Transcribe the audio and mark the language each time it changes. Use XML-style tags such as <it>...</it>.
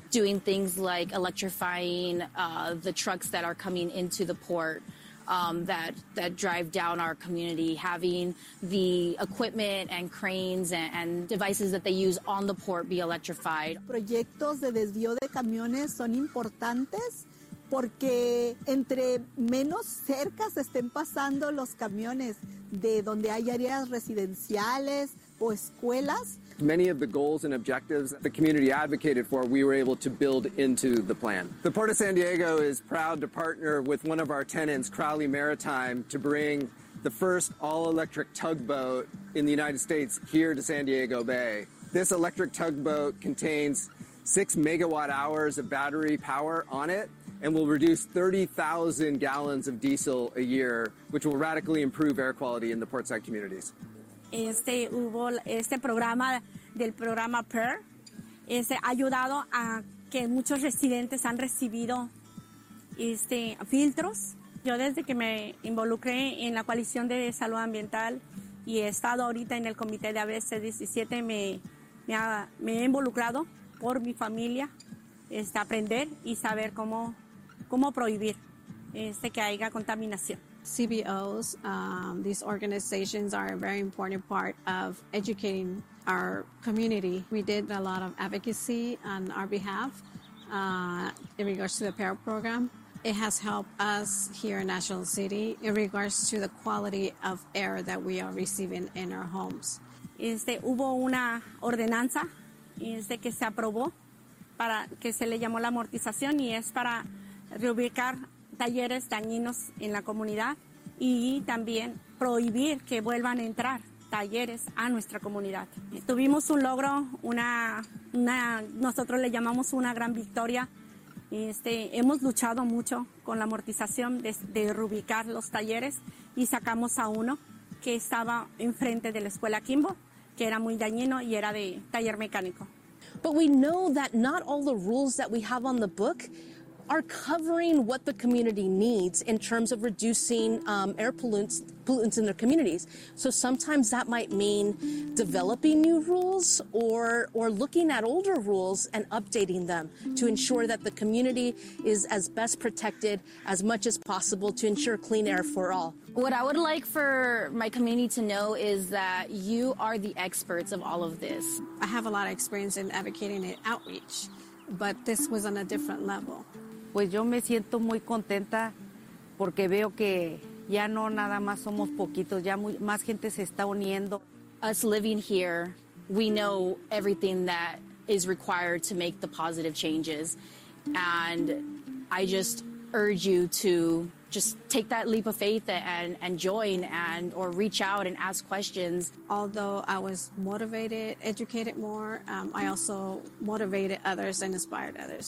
<en>Doing things like electrifying the trucks that are coming into the port that drive down our community, having the equipment and cranes and devices that they use on the port be electrified.</en> <es>Proyectos de desvío de camiones son importantes. Porque entre menos cerca se estén pasando los camiones de donde hay áreas residenciales o escuelas.</es> <en>Many of the goals and objectives the community advocated for, we were able to build into the plan. The Port of San Diego is proud to partner with one of our tenants, Crowley Maritime, to bring the first all-electric tugboat in the United States here to San Diego Bay. This electric tugboat contains 6 megawatt hours of battery power on it. and will reduce 30,000 gallons of diesel a year, which will radically improve air quality in the Portside communities.</en> <es>Este hubo este programa del programa PER, este ha ayudado a que muchos residentes han recibido este filtros. Yo desde que me involucré en la coalición de salud ambiental y he estado ahorita en el comité de ABC 17, me he involucrado por mi familia, este, aprender y saber cómo prohibir este que haya contaminación.</es> <en>CBOs, these organizations are a very important part of educating our community. We did a lot of advocacy on our behalf in regards to the PER program. It has helped us here in National City in regards to the quality of air that we are receiving in our homes.</en> <es>Este, hubo una ordenanza este, que se aprobó para que se le llamó la amortización y es para reubicar talleres dañinos en la comunidad y también prohibir que vuelvan a entrar talleres a nuestra comunidad. Tuvimos un logro, nosotros le llamamos una gran victoria. Este, hemos luchado mucho con la amortización de reubicar los talleres y sacamos a uno que estaba enfrente de la escuela Kimbo, que era muy dañino y era de taller mecánico.</es> <en>But we know that not all the rules that we have on the book are covering what the community needs in terms of reducing air pollutants in their communities. So sometimes that might mean developing new rules or looking at older rules and updating them to ensure that the community is as best protected as much as possible to ensure clean air for all. What I would like for my community to know is that you are the experts of all of this. I have a lot of experience in advocating in outreach, but this was on a different level.</en> <es>Pues yo me siento muy contenta porque veo que ya no nada más somos poquitos, ya más gente se está uniendo.</es> <en>Us living here, we know everything that is required to make the positive changes. And I just urge you to just take that leap of faith and join and or reach out and ask questions. Although I was motivated, educated more, I also motivated others and inspired others.</en>